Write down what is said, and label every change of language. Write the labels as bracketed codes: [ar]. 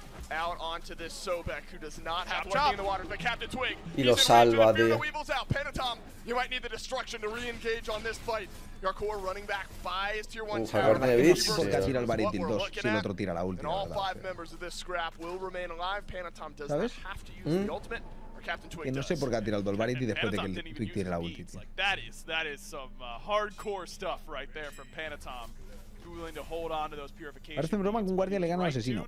[en] Out onto this Sobek, who does not have to be in the water, but Captain Twig. [es] Y lo salva, tío. [en] The weevils out. Pentatom, you might need the destruction to re-engage on this fight. Yarkor running back, Fi is tier 1 tower. [es] Podría tirar el Varitin 2 si el otro tira la ulti. [en] And all five members of this scrap will remain alive. Pentatom does not have to use the ultimate, or Captain Twig does. [es] Que no sé por qué ha tirado el Varitin después de que el Twig tire la ulti. [en] That is some hardcore stuff right there from Pentatom. [es] Ahora está en broma que un guardia le gana a un asesino.